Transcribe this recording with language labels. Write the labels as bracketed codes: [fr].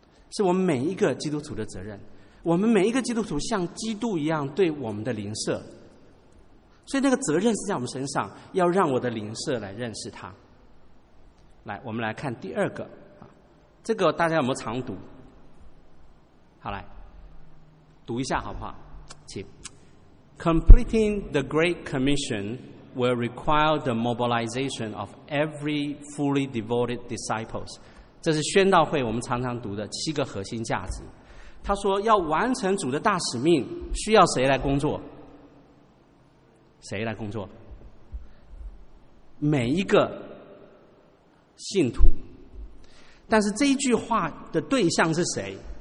[zh] 是我们每一个基督徒的责任，我们每一个基督徒像基督一样对我们的邻舍，所以那个责任是在我们身上，要让我的邻舍来认识他。来，我们来看第二个，这个大家有没有常读？好，来读一下好不好？请。 [en] Completing the Great Commission will require the mobilization of every fully devoted disciples. [zh] 这是宣道会我们常常读的七个核心价值。他说要完成主的大使命，需要谁来工作？谁来工作？每一个信徒。但是这一句话的对象是谁？